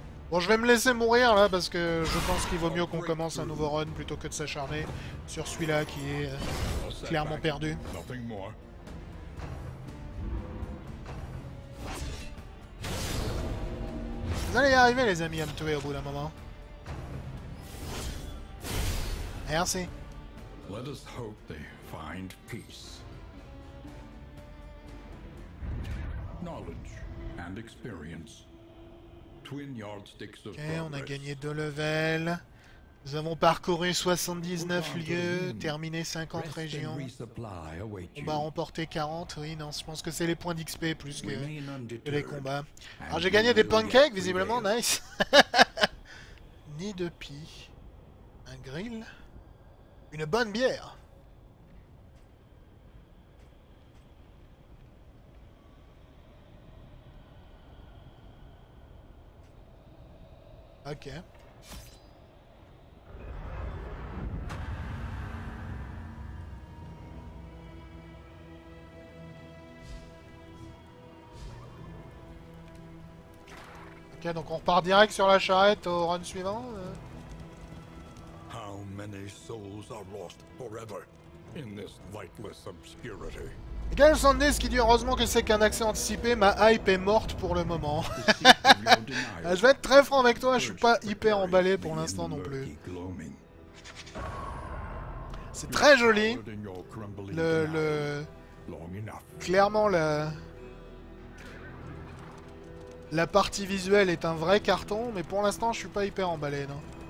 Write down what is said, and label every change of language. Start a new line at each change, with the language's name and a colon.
French: Bon, je vais me laisser mourir là, parce que je pense qu'il vaut mieux qu'on commence un nouveau run plutôt que de s'acharner sur celui-là qui est clairement perdu. Vous allez y arriver les amis à me tuer au bout d'un moment. Merci.
English: Let us hope they find peace. Knowledge and experience. Twin yardsticks of progress.
French: Ok, on a gagné 2 levels. Nous avons parcouru 79 lieux, terminé 50 régions. On va remporter 40, oui, non, je pense que c'est les points d'XP plus que les combats. Alors j'ai gagné des pancakes, visiblement, nice. Ni de pie. Un grill. Une bonne bière. Ok. Ok, donc on repart direct sur la charrette au run suivant.
English: How many souls are lost forever in this lightless obscurity?
French: Gal Sandes qui dit heureusement que c'est qu'un accès anticipé, ma hype est morte pour le moment. Je vais être très franc avec toi, je suis pas hyper emballé pour l'instant non plus. C'est très joli. Le... Clairement, la partie visuelle est un vrai carton, mais pour l'instant, je suis pas hyper emballé, non.